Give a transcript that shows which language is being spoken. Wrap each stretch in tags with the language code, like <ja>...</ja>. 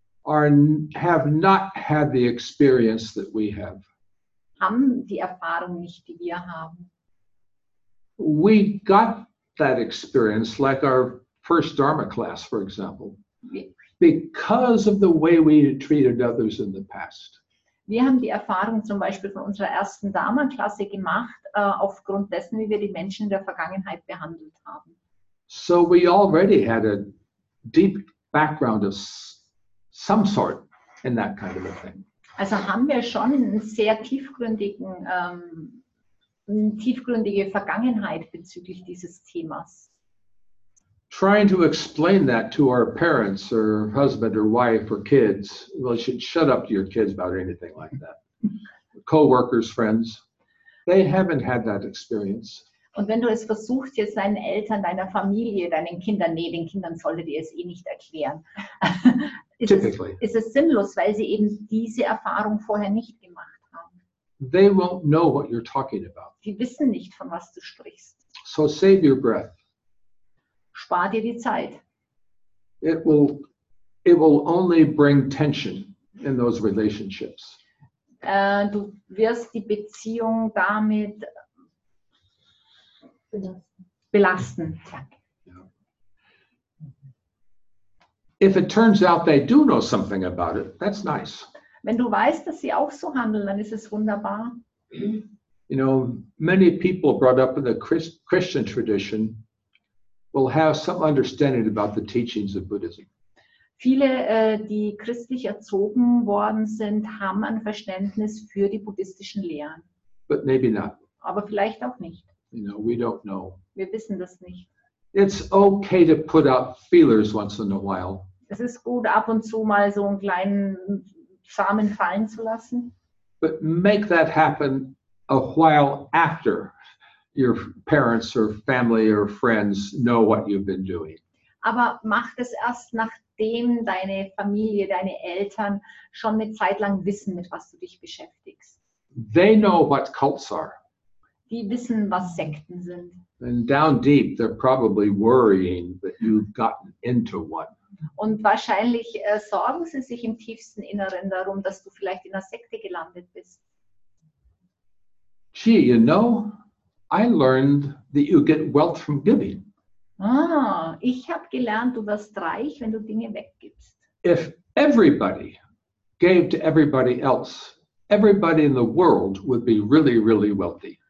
<en>have not had the experience that we have.</en> <de>Haben die Erfahrung nicht, die wir haben.</de> <en>We got that experience, like our first Dharma class, for example. Because of the way we treated others in the past.</en> <de>Wir haben die Erfahrung zum Beispiel von unserer ersten Dharma-Klasse gemacht, aufgrund dessen, wie wir die Menschen in der Vergangenheit behandelt haben.</de> <en>So we already had a deep background of some sort in that kind of a thing.</en> <de>Also haben wir schon einen sehr tiefgründige Vergangenheit bezüglich dieses Themas.</de> <en>Trying to explain that to our parents or husband or wife or kids, well, you should shut up to your kids about anything like that. Co-workers, friends, they haven't had that experience.</en> <de>Und wenn du es versuchst, jetzt deinen Eltern, deiner Familie, deinen Kindern, nee, den Kindern solltet ihr es eh nicht erklären.</de> <en>Typically.</en> <de>Ist es sinnlos, weil sie eben diese Erfahrung vorher nicht gemacht haben.</de> <en>They won't know what you're talking about.</en> <de>Die wissen nicht, von was du sprichst.</de> <en>So save your breath.</en> <de>Spar dir die Zeit.</de> <en>It will only bring tension in those relationships.</en> <de>Du wirst die Beziehung damit belasten.</de> <en>If it turns out they do know something about it, that's nice.</en> <de>Wenn du weißt, dass sie auch so handeln, dann ist es wunderbar.</de> <en>You know, many people brought up in the Christian tradition will have some understanding about the teachings of Buddhism.</en> <de>Viele, die christlich erzogen worden sind, haben ein Verständnis für die buddhistischen Lehren.</de> <en>But maybe not.</en> <de>Aber vielleicht auch nicht.</de> <en>You know, we don't know.</en> <de>Wir wissen das nicht.</de> <en>It's okay to put out feelers once in a while.</en> <de>Es ist gut, ab und zu mal so einen kleinen Samen fallen zu lassen.</de> <en>But make that happen a while after your parents or family or friends know what you've been doing.</en> <de>Aber mach das erst, nachdem deine Familie, deine Eltern schon eine Zeit lang wissen, mit was du dich beschäftigst.</de> <en>They know what cults are.</en> <de>Die wissen, was Sekten sind.</de> <en>And down deep, they're probably worrying that you've gotten into one.</en> <de>Und wahrscheinlich sorgen sie sich im tiefsten Inneren darum, dass du vielleicht in einer Sekte gelandet bist.</de> <en>Gee, you know, I learned that you get wealth from giving.</en> <de>Ah, ich habe gelernt, du wirst reich, wenn du Dinge weggibst.</de> <en>If everybody gave to everybody else, everybody in the world would be really, really wealthy.</en>